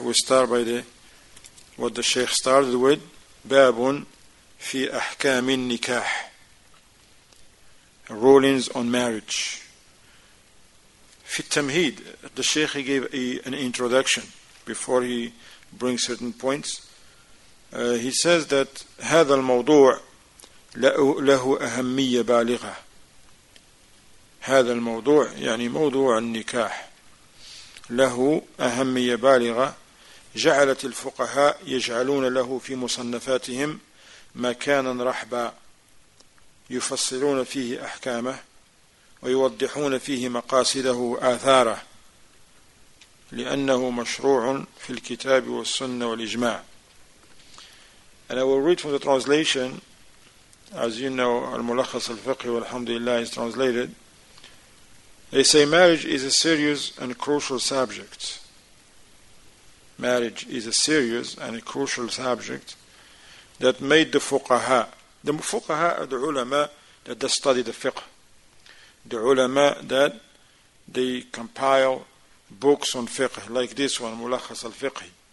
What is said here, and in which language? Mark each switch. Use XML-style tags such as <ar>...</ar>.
<en>We start by what the Shaykh started with,</en> <ar>babun fi ahkam al-nikah,</ar> <en>rulings on marriage. Fi tamheed, the Shaykh gave an introduction before he brings certain points. He says that</en> <ar>هذا الموضوع له أهمية بالغة. هذا الموضوع يعني موضوع النكاح له أهمية بالغة جعلت الفقهاء يجعلون له في مصنفاتهم مكانا رحبا يفصلون فيه أحكامه ويوضحون فيه مقاصده وآثاره لأنه مشروع في الكتاب والسنة والإجماع.</ar> <en>And I will read from the translation. As you know, al-Mulakhkhas al Fiqhee, alhamdulillah, is translated. They say marriage is a serious and crucial subject. Marriage is a serious and a crucial subject that made the fuqaha are the ulama that study the fiqh, the ulama that they compile books on fiqh, like this one, Mulakhkhas al Fiqhee.</en>